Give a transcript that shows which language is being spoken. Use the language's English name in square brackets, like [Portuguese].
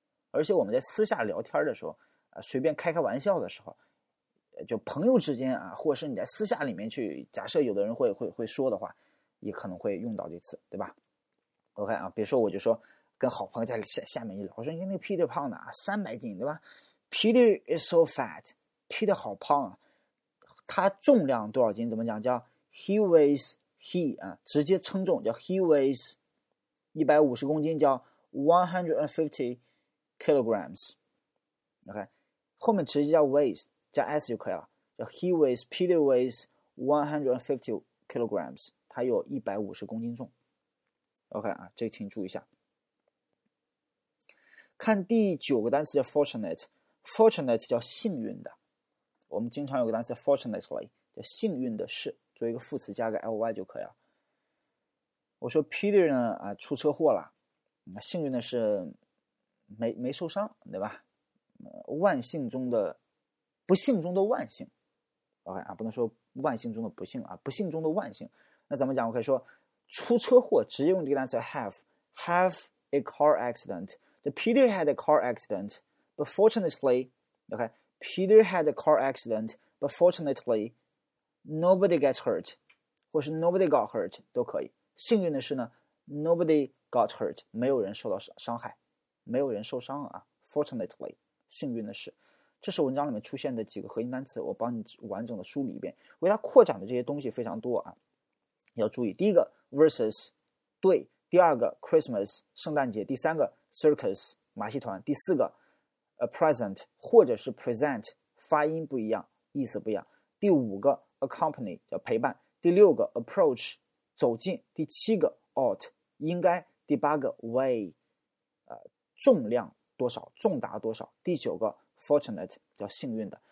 [Chinese] 而且我们在私下聊天的时候啊，随便开开玩笑的时候，就朋友之间啊，或者是你在私下里面去，假设有的人会说的话，也可能会用到这词，对吧 ？OK 啊，别说我就说跟好朋友在下面一聊，我说你看那个 Peter 胖的啊，300斤，对吧 ？ Peter is so fat. Peter 好胖啊，他重量多少斤？怎么讲？叫 he weighs 直接称重叫 he weighs 150公斤，叫 150 kilograms。 OK， 后面直接叫 weighs 加 s 就可以了，叫 he weighs Peter weighs 150 kilograms。它有150公斤重 ，OK 啊，这个请注意一下。看第九个单词叫 fortunate，fortunate 叫幸运的。我们经常有个单词 fortunately， 叫幸运的事，做一个副词加个 ly 就可以了。我说 Peter 呢啊出车祸了，幸运的是没受伤，对吧？万幸中的不幸中的万幸 ，OK 啊，不能说万幸中的不幸啊，不幸中的万幸。那怎么讲？我可以说出车祸直接用这个单词 have a car accident。 [English] Peter had a car accident but fortunately okay, Peter had a car accident but fortunately nobody gets hurt 或是 nobody got hurt 都可以。 [Chinese] 幸运的是呢 nobody got hurt，没有人受到伤害，没有人受伤啊。 fortunately 幸运的是，这是文章里面出现的几个核心单词，我帮你完整的梳理一遍，为它扩展的这些东西非常多啊，你要注意。第一个 versus 对，第二个 Christmas 圣诞节，第三个 circus 马戏团，第四个 a present 或者是 present 发音不一样，意思不一样，第五个 accompany 叫陪伴，第六个 approach 走近，第七个 ought 应该，第八个 way 重量多少，重达多少，第九个 fortunate 叫幸运的。